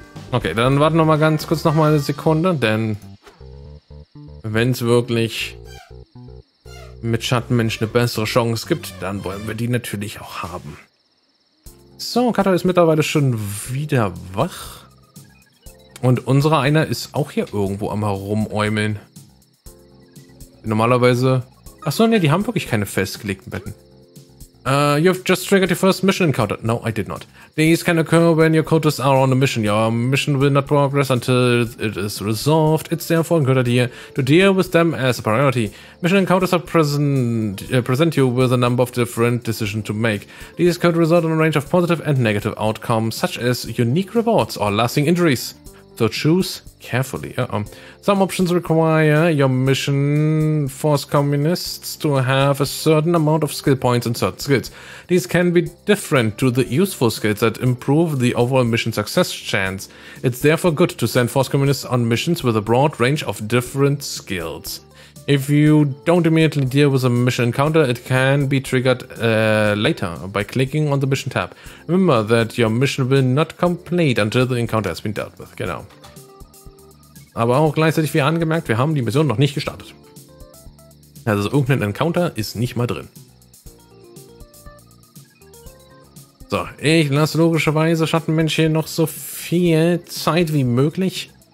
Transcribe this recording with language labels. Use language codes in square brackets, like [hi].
[de] Okay, dann warten wir mal ganz kurz noch mal eine Sekunde, denn wenn es wirklich mit Schattenmenschen eine bessere Chance gibt, dann wollen wir die natürlich auch haben. So, Kato ist mittlerweile schon wieder wach. Und unsere einer ist auch hier irgendwo am Herumäumeln. Normalerweise... Achso, ne, die haben wirklich keine festgelegten Betten. [en] You've just triggered your first mission encounter. No, I did not. These can occur when your codes are on a mission. Your mission will not progress until it is resolved. It's therefore a good idea to deal with them as a priority. Mission encounters are present you with a number of different decisions to make. These could result in a range of positive and negative outcomes, such as unique rewards or lasting injuries. So choose carefully. Some options require your mission force communists to have a certain amount of skill points and certain skills. These can be different to the useful skills that improve the overall mission success chance. It's therefore good to send force communists on missions with a broad range of different skills. If you don't immediately deal with a mission encounter, it can be triggered later by clicking on the mission tab. Remember that your mission will not complete until the encounter has been dealt with. [de] Genau. Aber auch gleichzeitig wie angemerkt, wir haben die Mission noch nicht gestartet. Also irgendein Encounter ist nicht mal drin. So, ich lasse logischerweise Schattenmensch hier noch so viel Zeit wie möglich.